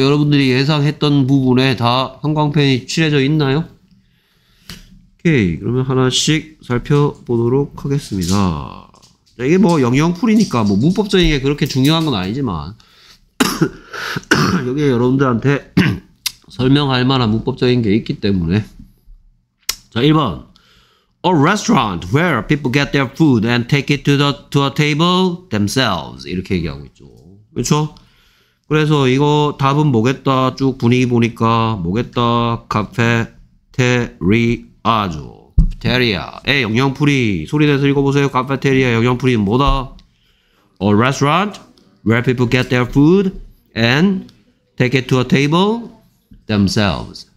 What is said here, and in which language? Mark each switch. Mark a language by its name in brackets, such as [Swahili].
[Korean] 여러분들이 예상했던 부분에 다 형광펜이 칠해져 있나요? 오케이. 그러면 하나씩 살펴보도록 하겠습니다. 자, 이게 뭐 영영풀이니까 뭐 문법적인 게 그렇게 중요한 건 아니지만 여기에 여러분들한테 설명할 만한 문법적인 게 있기 때문에. 자, 1번. [English] A restaurant where people get their food and take it to a table themselves. [Korean] 이렇게 얘기하고 있죠. 그렇죠? 그래서 이거 답은 뭐겠다. 쭉 분위기 보니까 뭐겠다. 카페테리아죠. 카페테리아의 영영풀이. 소리 내서 읽어보세요. 카페테리아의 영영풀이는 뭐다? [English] A restaurant where people get their food and take it to a table themselves.